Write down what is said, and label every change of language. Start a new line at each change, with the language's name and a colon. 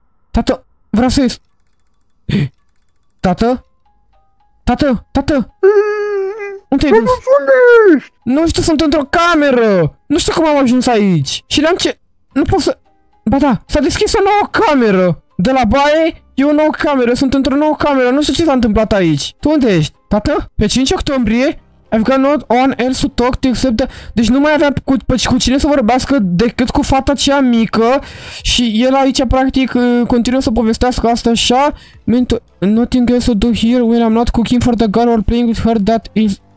Romanian: Tata, vreau să ies. Tata? Tata? Unde ești? Unde ești? Nu știu, sunt într-o cameră. Nu știu cum am ajuns aici. Și n-am ce... Nu pot să... Ba da, s-a deschis o nouă cameră. De la baie e o nouă cameră. Sunt într-o nouă cameră. Nu știu ce s-a întâmplat aici. Tu unde ești? Tata? Pe 5 octombrie?
English: I've got no one else to talk to except the...
Romanian: Deci nu mai avea cu cine să vorbească decât cu fata cea mică. Și el aici practic continuă să povestească asta așa.
English: Nothing else to do here when I'm not cooking for the girl or playing with her, that is...